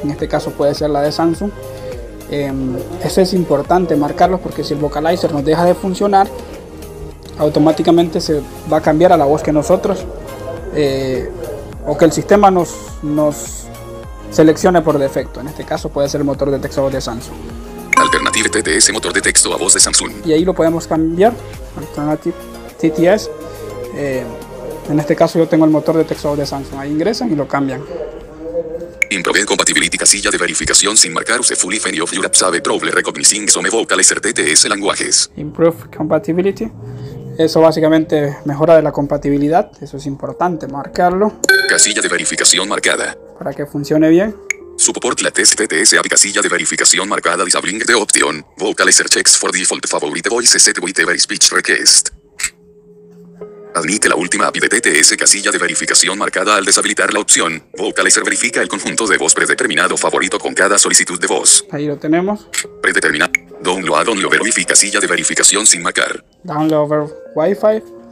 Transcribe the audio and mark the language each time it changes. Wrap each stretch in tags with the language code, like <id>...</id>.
<es>En este caso puede ser la de Samsung. Eso es importante marcarlo porque si el vocalizer nos deja de funcionar, automáticamente se va a cambiar a la voz que nosotros o que el sistema nos seleccione por defecto. En este caso puede ser el motor de texto a voz de Samsung. Alternative TTS, motor de texto a voz de Samsung. Y ahí lo podemos cambiar. Alternative TTS. En este caso yo tengo el motor de texto a voz de Samsung. Ahí ingresan y lo cambian. Improved compatibility, casilla de verificación sin marcar.</es> <en>Use fully any of your apps have trouble recognizing some vocalizer TTS languages. Improved compatibility.</en> <es>Eso básicamente mejora de la compatibilidad. Eso es importante marcarlo. Casilla de verificación marcada. Para que funcione bien.</es> <en>Support latest TTS app,</en> <es>casilla de verificación marcada.</es> <en>Disabling the option. Vocalizer checks for default favorite voice set with every speech request.</en> <es>Admite la última API de TTS, casilla de verificación marcada. Al deshabilitar la opción, Vocalizer verifica el conjunto de voz predeterminado favorito con cada solicitud de voz. Ahí lo tenemos. Predeterminado.</es> <en>Download on over Wi-Fi,</en> <es>casilla de verificación sin marcar.</es> <en>Download over Wi-Fi.</en>